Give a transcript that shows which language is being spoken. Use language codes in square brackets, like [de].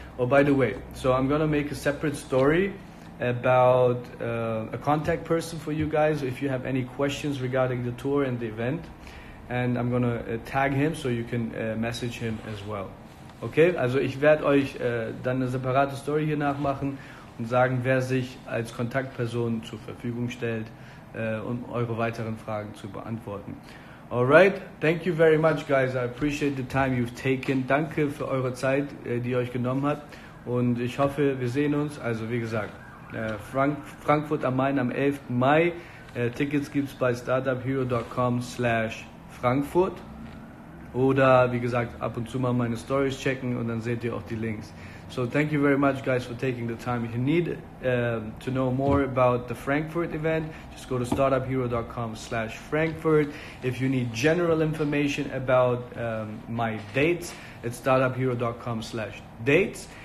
[en] Oh, by the way, so I'm gonna make a separate story about a contact person for you guys if you have any questions regarding the tour and the event. And I'm gonna tag him, so you can message him as well. [de] Okay, also ich werde euch dann eine separate Story hier nachmachen und sagen, wer sich als Kontaktperson zur Verfügung stellt, um eure weiteren Fragen zu beantworten. [en] Alright, thank you very much, guys. I appreciate the time you've taken. [de] Danke für eure Zeit, die ihr euch genommen habt. Und ich hoffe, wir sehen uns. Also wie gesagt, Frankfurt am Main am 11. Mai. Tickets gibt's bei startuphero.com/Frankfurt, oder wie gesagt, ab und zu mal meine Stories checken und dann seht ihr auch die Links. [en] So thank you very much, guys, for taking the time. If you need to know more about the Frankfurt event, just go to startuphero.com/Frankfurt. If you need general information about my dates, it's startuphero.com/dates.